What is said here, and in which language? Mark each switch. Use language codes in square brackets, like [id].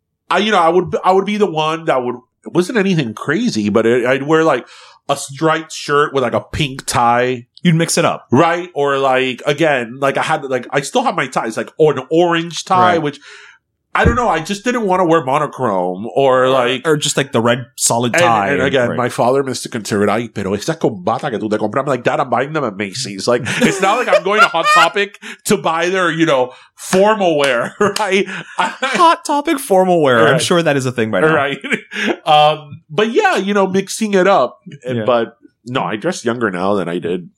[en] I would be the one that would, it wasn't anything crazy, but I'd wear like a striped shirt with like a pink tie. You'd mix it up. Right. Or like, again, like I still have my ties, like, or an orange tie, which, I don't know. I just didn't want to wear monochrome or the red solid tie. And again, my father, Mr. [es] Conservative, ay, pero esa combata que tú te compras. [en] I'm like, Dad, I'm buying them at Macy's. Like, it's not like I'm going to Hot Topic to buy their, you know, formal wear, right? Hot Topic formal wear. Right. I'm sure that is a thing by now. Right. But yeah, you know, mixing it up. Yeah. But no, I dress younger now than I did.